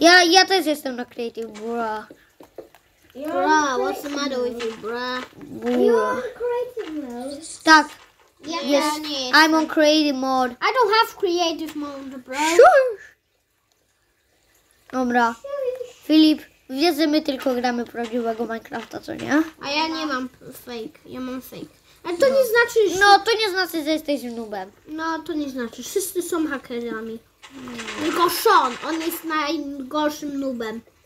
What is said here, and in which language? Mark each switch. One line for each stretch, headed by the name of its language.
Polish: Ja też jestem na creative, bro.
English: Bro, what's the matter with you, bro? You on creative mode?
Polish: Tak.
English: Yeah, yes, yeah, I'm on creative mode. I don't have creative mode, bro. Sure.
Polish: Dobra. Filip, wiesz, że my tylko gramy prawdziwego Minecrafta, co nie? A ja nie mam fake, ja mam fake. Ale to no. Nie znaczy, że... No, to nie znaczy, że jesteś noobem. No, to nie znaczy. Wszyscy są hakerami. No. Tylko Sean, on jest najgorszym noobem.